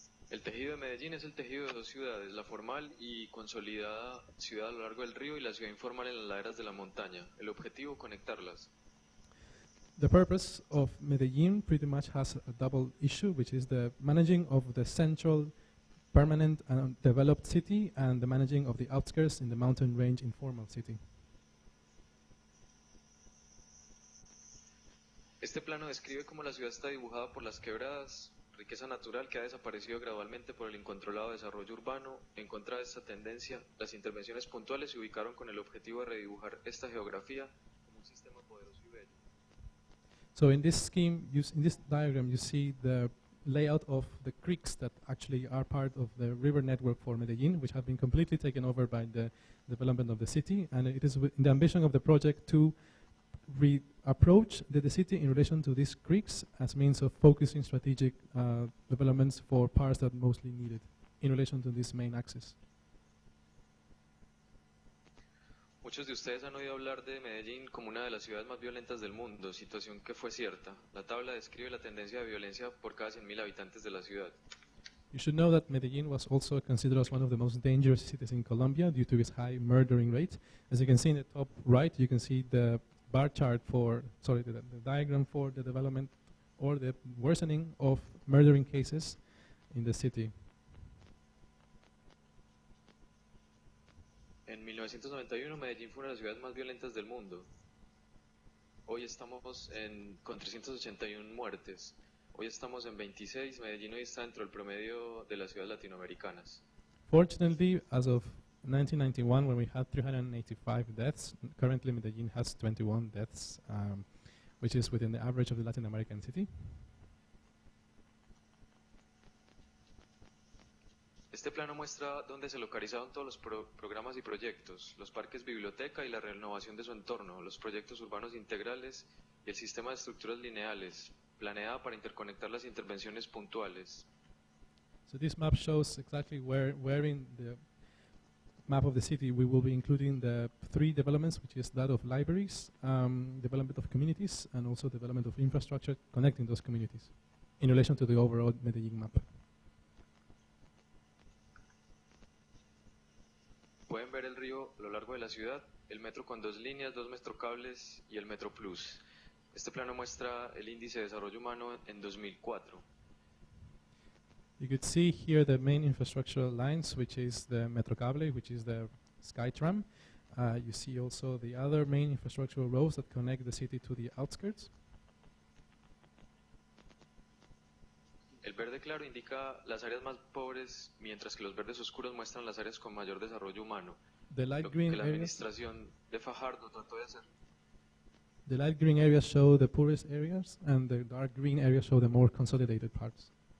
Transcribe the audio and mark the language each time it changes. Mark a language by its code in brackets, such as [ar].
[es] El tejido de Medellín es el tejido de dos ciudades, la formal y consolidada ciudad a lo largo del río y la ciudad informal en las laderas de la montaña. El objetivo, conectarlas. [en] The purpose of Medellin pretty much has a double issue, which is the managing of the central, permanent and developed city, and the managing of the outskirts in the mountain range informal city. [es] Este plano describe cómo la ciudad está dibujada por las quebradas, riqueza natural que ha desaparecido gradualmente por el incontrolado desarrollo urbano. En contra de esta tendencia, las intervenciones puntuales se ubicaron con el objetivo de redibujar esta geografía. [en] So in this scheme, in this diagram, you see the layout of the creeks that actually are part of the river network for Medellin, which have been completely taken over by the development of the city. And it is the ambition of the project to reapproach the city in relation to these creeks as means of focusing strategic developments for parts that mostly need it in relation to this main axis. [es] Muchos de ustedes han oído hablar de Medellín como una de las ciudades más violentas del mundo, situación que fue cierta. La tabla describe la tendencia de violencia por cada 100,000 habitantes de la ciudad. [en] You should know that Medellín was also considered as one of the most dangerous cities in Colombia due to its high murdering rate. As you can see in the top right, you can see the bar chart for, sorry, the diagram for the development or the worsening of murdering cases in the city. [es] En 1991, Medellín fue una de las ciudades más violentas del mundo. Hoy estamos con 381 muertes. Hoy estamos en 26. Medellín hoy está dentro del promedio de las ciudades latinoamericanas. [en] Fortunately, as of 1991, when we had 385 deaths, currently Medellín has 21 deaths, which is within the average of the Latin American city. [es] Este plano muestra dónde se localizaron todos los programas y proyectos, los parques, biblioteca y la renovación de su entorno, los proyectos urbanos integrales y el sistema de estructuras lineales, planeada para interconectar las intervenciones puntuales. [en] So this map shows exactly where in the map of the city we will be including the three developments, which is that of libraries, development of communities and also development of infrastructure connecting those communities in relation to the overall Medellín map. [es] Pueden ver el río a lo largo de la ciudad, el metro con dos líneas, dos metrocables y el metro plus. Este plano muestra el índice de desarrollo humano en 2004. [en] You could see here the main infrastructural lines, which is the metrocable, which is the SkyTram. You see also the other main infrastructural roads that connect the city to the outskirts. [es] El verde claro indica las áreas más pobres, mientras que los verdes oscuros muestran las áreas con mayor desarrollo humano. [en] The light green [es] que la administración de Fajardo trató de hacer. [en] The light green areas show the poorest areas, and the dark green areas show the more consolidated parts.